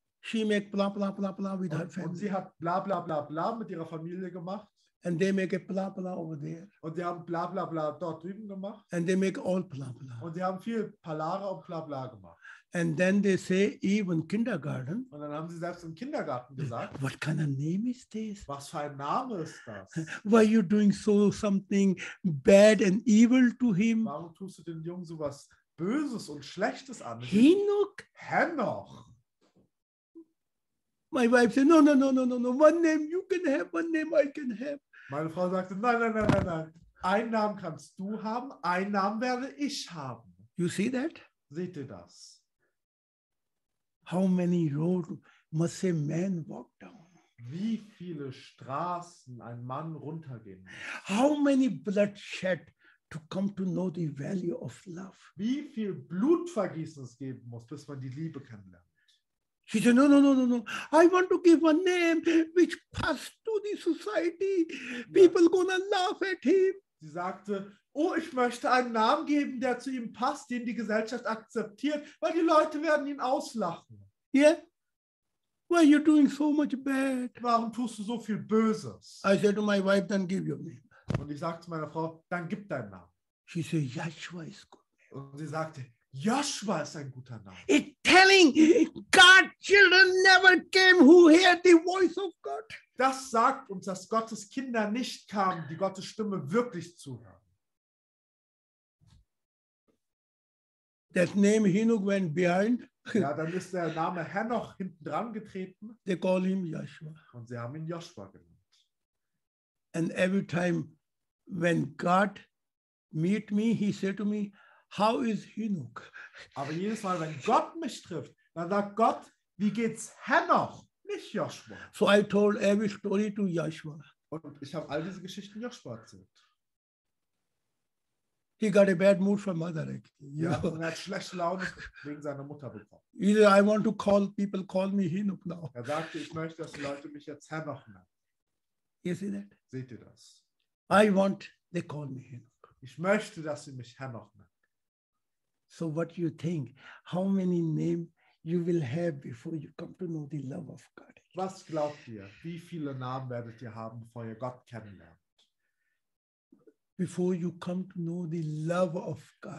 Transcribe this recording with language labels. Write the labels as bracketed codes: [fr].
[en] She made bla bla bla bla with her family. [de] Und sie hat bla bla bla bla mit ihrer Familie gemacht. [en] And they make a bla bla over there. [de] Und die haben bla bla bla dort drüben gemacht. [en] And they make all bla bla. [de] Und die haben viel Palare und bla bla gemacht. [en] And then they say even kindergarten. [de] Und dann haben sie selbst im Kindergarten gesagt. [en] What kind of name is this? [de] Was für ein Name ist das? [en] Why are you doing so something bad and evil to him? [de] Warum tust du dem Jungen sowas Böses und Schlechtes an? [en] Henoch. [de] Henoch. [en] My wife said, no, one name you can have, one name I can have. [de] Meine Frau sagte, nein. Einen Namen kannst du haben, einen Namen werde ich haben. [en] You see that? [de] Seht ihr das? [en] How many roads must a man walk down? [de] Wie viele Straßen ein Mann runtergehen? [en] How many bloodshed to come to know the value of love? [de] Wie viel Blutvergießen es geben muss, bis man die Liebe kennenlernt? [en] She said, no. I want to give a name which passed to the society. People yeah. gonna laugh at him. [de] Sie sagte, oh, ich möchte einen Namen geben, der zu ihm passt, den die Gesellschaft akzeptiert, weil die Leute werden ihn auslachen. [en] Yeah? Why are you doing so much bad? [de] Warum tust du so viel Böses? [en] I said to my wife, then give your name. [de] Und ich sagte zu meiner Frau, dann gib deinen Namen. [en] She said, Joshua is good. [de] Und sie sagte, Joshua ist ein guter Name. [en] It's telling God children never came who heard the voice of God. [de] Das sagt uns, dass Gottes Kinder nicht kamen, die Gottes Stimme wirklich zuhören. [en] That name Henoch went behind. [de] Ja, dann ist der Name Henoch hinten dran getreten. [en] They call him Joshua. [de] Und sie haben ihn Joshua genannt. [en] And every time when God meet me, he said to me, how is Henoch? [de] Aber jedes Mal, wenn Gott mich trifft, dann sagt Gott, wie geht's Henoch, nicht Joshua. [en] So I told every story to Joshua. [de] Und ich habe all diese Geschichten Joshua erzählt. [en] He got a bad mood from mother. [de] Ja, und er hat schlechte Laune wegen seiner Mutter bekommen. [en] Either I want to call, people call me Henoch now. [de] Er sagte, ich möchte, dass die Leute mich jetzt Henoch nennen. [en] You see that? [de] Seht ihr das? [en] I want, they call me Henoch. [de] Ich möchte, dass sie mich Henoch nennen. [en] So what do you think? How many names you will have before you come to know the love of God? [de] Was glaubt ihr? Wie viele Namen werdet ihr haben, bevor ihr Gott kennenlernt? [en] Before you come to know the love of God.